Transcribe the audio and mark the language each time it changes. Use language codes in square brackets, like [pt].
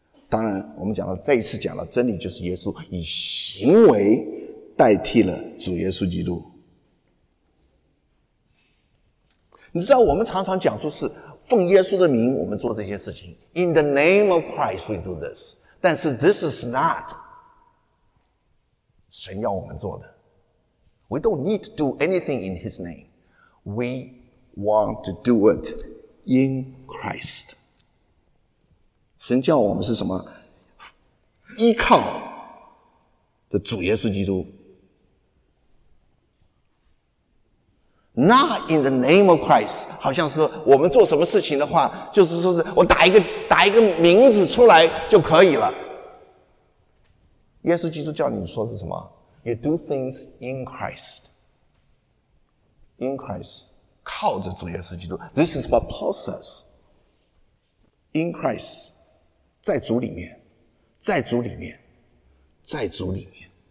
[zh] 当然我们讲了，再一次讲了，真理就是耶稣，以行为代替了主耶稣基督。你知道我们常常讲说是奉耶稣的名我们做这些事情， [en] In the name of Christ we do this， [zh] 但是 [en] this is not [zh] 神要我们做的。 [en] We don't need to do anything in his name， We want to do it in Christ。 [zh] 神叫我们是什么？依靠的主耶稣基督。 [en] Not in the name of Christ， [zh] 好像是我们做什么事情的话，就是说是我打一个名字出来就可以了。耶稣基督叫你说是什么？ [en] You do things in Christ， in Christ， [zh] 靠着主耶稣基督。 [en] This is what Paul says， in Christ， [zh] 在主里面，在主里面，在主里面。